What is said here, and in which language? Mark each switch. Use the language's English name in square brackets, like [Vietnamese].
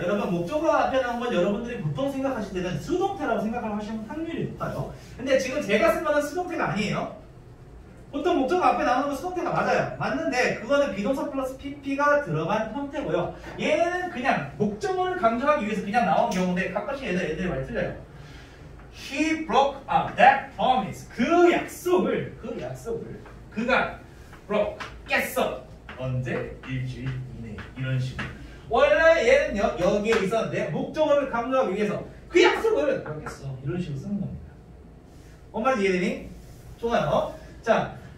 [Korean] 여러분 목적어가 앞에 나온 건 여러분들이 보통 생각하실 때는 수동태라고 생각을 하시는 확률이 높아요. 근데 지금 제가 쓴 거는 수동태가 아니에요. 보통 목적어 앞에 나오는 건 수동태가 맞아요. 맞는데 그거는 비동사 플러스 PP가 들어간 형태고요. 얘는 그냥 목적어를 강조하기 위해서 그냥 나온 경우인데 가끔씩 얘들이 많이 틀려요. [English] He broke up that promise. [Korean] 그 약속을 그가 broke 깼어. 언제? 일주일 이내 이런 식으로. 원래 얘는요 여기에 있었는데 목적어를 강조하기 위해서 그 약속을 깼어. 이런 식으로 쓰는 겁니다. 뭔 말인지 이해되니? 좋아요. 자.